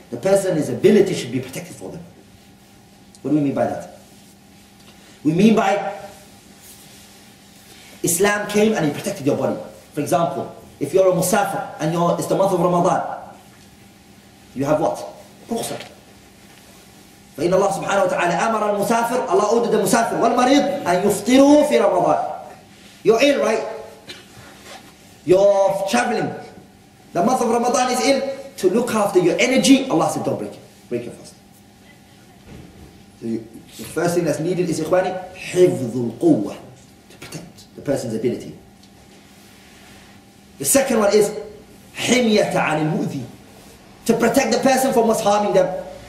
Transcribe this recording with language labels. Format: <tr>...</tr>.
<en>The person's ability should be protected for them. What do we mean by that? We mean by Islam came and he protected your body. For example, if you're a musafir and it's the month of Ramadan, you have what? Rukhsah.</en> <ar>فَإِنَّ اللَّهُ سُبْحَانَهُ وَتَعَالَى أَمَرَ الْمُسَافِرِ</ar> <en>Allah ordered the musafir</en> <ar>والمريض أن يُفْطِرُوا فِي رَمَضَانِ</ar> <en>You're ill, right? You're traveling. The month of Ramadan is ill. To look after your energy, Allah said, don't break it. Break your fast. So the first thing that's needed is, إخواني,</en> <ar>حِفْظُ الْقُوَّةِ</ar> <en>To protect the person's ability. The second one is,</en> <ar>حِمْيَةَ عَنِ الْمُؤْذِي</ar> <en>To protect the person from what's harming them.</en>